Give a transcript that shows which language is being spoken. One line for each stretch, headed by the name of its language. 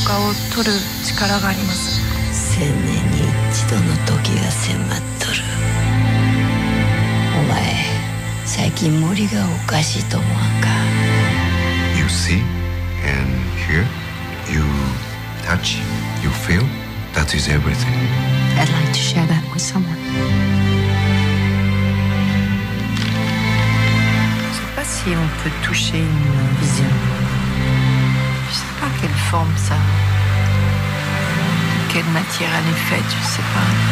Japanese: ビジョンはすごい力があって、人間の弱さとか苦痛、痛みとかを取る力があります. 1000年に一度の時が迫っとる.お前、最近森がおかしいと思わんか?
English: You see and hear, you touch, you feel, That is everything. I'd like to share that with someone.
French: Je sais pas si on peut toucher une vision. Je sais pas quelle forme ça. Quelle matière elle est faite, je sais pas.